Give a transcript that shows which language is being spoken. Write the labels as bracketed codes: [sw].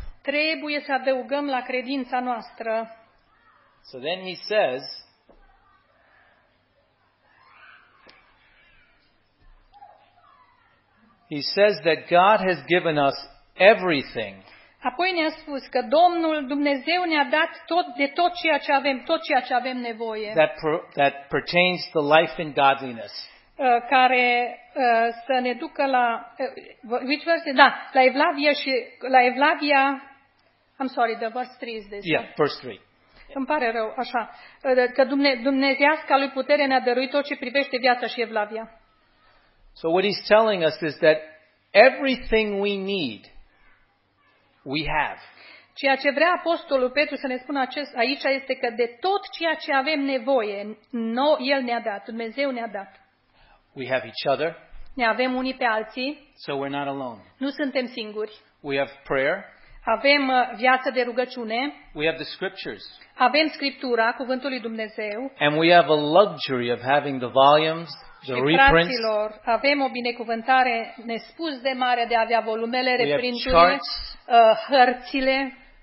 [ro] Trebuie să adăugăm la credința noastră. [en] So then he says, he says that God has given us everything. [ro] Apoi ne-a spus că Domnul Dumnezeu ne-a dat tot, de tot ceea ce avem, tot ceea ce avem nevoie. [en] That pertains to life and godliness. [ro] Care să ne ducă la [en] which verse? [ro] Da, la evlavia și la evlavia. [en] I'm sorry, the verse 3 is this. Yeah, verse 3. [ro] Îmi pare rău, așa. Că Dumnezeiasca lui putere ne-a dăruit tot ce privește viața și evlavia. [en] So what he's telling us is that everything we need, we have. [ro] Ceea ce vrea apostolul Petru să ne spună aici este că de tot ceea ce avem nevoie, el ne-a dat, Dumnezeu ne-a dat. [en] We have each other. [ro] Ne avem unii pe alții. [en] So we're not alone. [ro] Nu suntem singuri. [en] We have prayer. [ro] Avem viața de rugăciune. [en] We have the scriptures. [ro] Avem scriptura, cuvântul lui Dumnezeu. [en] And we have a luxury of having the volumes. [ro] Și, fraților, avem o binecuvântare nespus de mare de a avea volumele, reprinturile, hărțile.